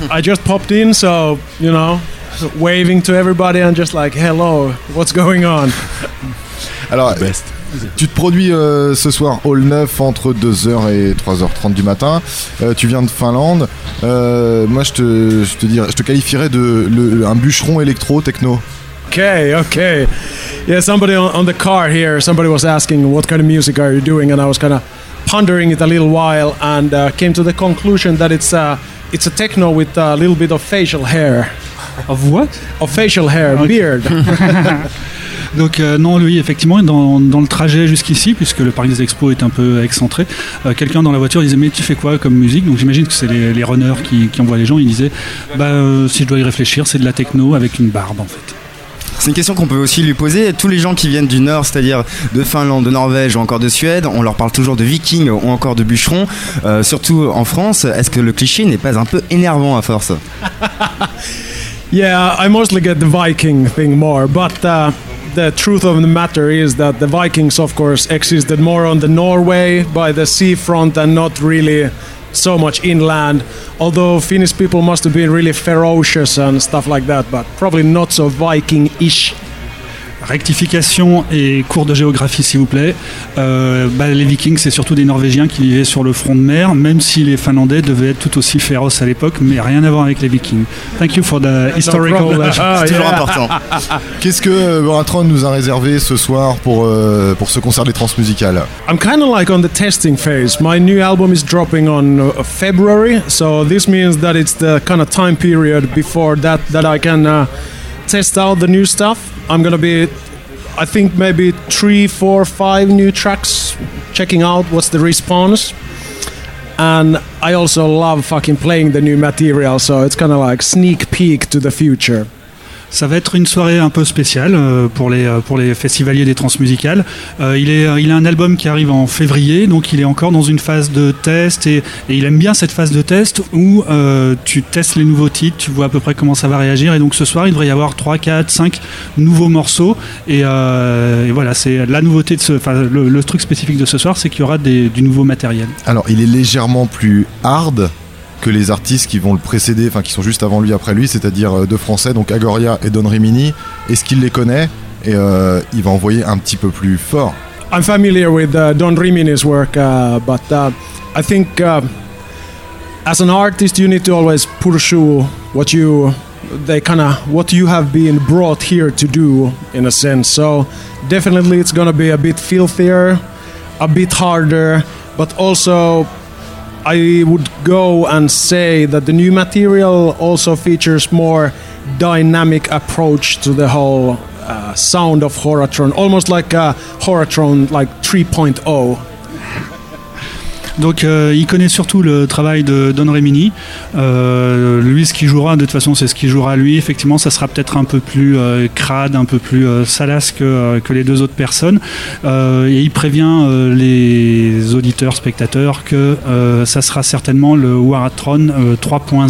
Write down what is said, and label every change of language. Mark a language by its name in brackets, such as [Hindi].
[English] I just popped in, so, you know, waving to everybody and just like, hello, what's going on? [French] Alors, best. Tu te produis ce soir Hall 9 entre 2h et 3h30 du matin. Tu viens de Finlande. Moi, je te qualifierais de un bûcheron électro-techno. [English] Okay. Yeah, somebody on the car here, somebody was asking what kind of music are you doing, and I was kind of pondering it a little while and came to the conclusion that it's a techno with a little bit of facial hair. Of what? Of facial hair, okay. Beard. [French] Donc non, lui, effectivement, dans le trajet jusqu'ici, puisque le Paris Expo est un peu excentré, quelqu'un dans la voiture disait « Mais tu fais quoi comme musique ?» Donc j'imagine que c'est les runners qui envoient les gens. Il disait « Bah, si je dois y réfléchir, c'est de la techno avec une barbe, en fait. » C'est une question qu'on peut aussi lui poser. Tous les gens qui viennent du Nord, c'est-à-dire de Finlande, de Norvège ou encore de Suède, on leur parle toujours de vikings ou encore de bûcherons, surtout en France. Est-ce que le cliché n'est pas un peu énervant à force? [English] Yeah, I mostly get the Viking thing more, but the truth of the matter is that the Vikings, of course, existed more on the Norway by the seafront and not really so much inland. Although Finnish people must have been really ferocious and stuff like that, but probably not so Viking-ish. [French] Rectification et cours de géographie, s'il vous plaît. Les Vikings, c'est surtout des Norvégiens qui vivaient sur le front de mer, même si les Finlandais devaient être tout aussi féroces à l'époque, mais rien à voir avec les Vikings. [English] Thank you for the historical. [French] C'est toujours important. Qu'est-ce que Auratron nous a réservé ce soir pour ce concert des transmusicales? [English] I'm kind of like on the testing phase. My new album is dropping on February, so this means that it's the kind of time period before that I can test out the new stuff. I'm gonna be, I think maybe 3, 4, 5 new tracks, checking out what's the response. And I also love fucking playing the new material, so it's kind of like sneak peek to the future. [French] Ça va être une soirée un peu spéciale pour les festivaliers des transmusicales. Il a un album qui arrive en février, donc il est encore dans une phase de test et il aime bien cette phase de test où tu testes les nouveaux titres, tu vois à peu près comment ça va réagir. Et donc ce soir, il devrait y avoir 3, 4, 5 nouveaux morceaux. Et voilà, c'est la nouveauté de le truc spécifique de ce soir, c'est qu'il y aura du nouveau matériel. Alors, il est légèrement plus hard que les artistes qui vont le précéder, enfin qui sont juste avant lui, après lui, c'est-à-dire deux Français, donc Agoria et Don Rimini. Est-ce qu'il les connaît et il va envoyer un petit peu plus fort? [English] I'm familiar with Don Rimini's work, but I think as an artist, you need to always pursue what you have been brought here to do, in a sense. So definitely, it's gonna be a bit filthier, a bit harder, but also I would go and say that the new material also features more dynamic approach to the whole sound of Auratron, almost like a Auratron like 3.0. [French] Donc il connaît surtout le travail de Don Rimini. Lui, ce qu'il jouera, de toute façon, c'est ce qu'il jouera lui. Effectivement, ça sera peut-être un peu plus crade, un peu plus salace que les deux autres personnes. Et il prévient les auditeurs, spectateurs, que ça sera certainement le Auratron 3.0.